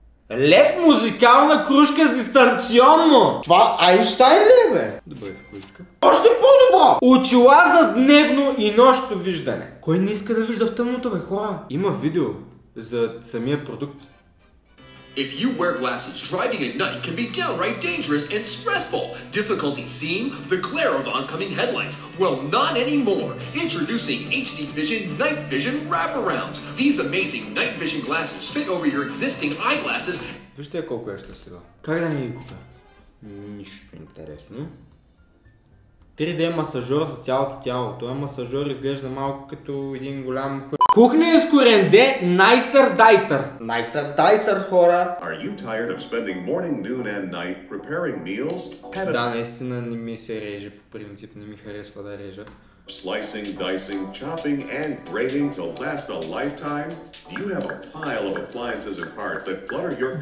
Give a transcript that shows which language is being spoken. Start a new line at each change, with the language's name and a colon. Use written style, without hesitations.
Bulgarian: Лед музикална кружка с дистанционно! Това Айнщайн ли е, бе? Добре, кружка. Още по-добро! Очила за дневно и нощно виждане. Кой не иска да вижда в тъмното, бе, хора? Има видео за самия продукт.
English: If you wear glasses, driving at night can be downright dangerous and stressful. Difficulty seeing? The glare of oncoming headlights? Well, not anymore. Introducing HD Vision Night Vision Wraparounds. These amazing night vision glasses fit over your existing eyeglasses.
Bulgarian: Вижте колко е щастлива. Как да не ги купя? Нищо интересно. 3D масажор за цялото тяло. Този масажор изглежда малко като един голям хуй. Кухня с коренде, Nicer Dicer.
English: Nicer Dicer,
Bulgarian: хора.
English: Are you tired of spending morning, noon and night preparing meals?
Bulgarian: Да, наистина не ми се реже, по принцип не ми харесва да режа.
English: Slicing, dicing, chopping and grating to last a lifetime? Do you have a pile of appliances and parts that clutter your...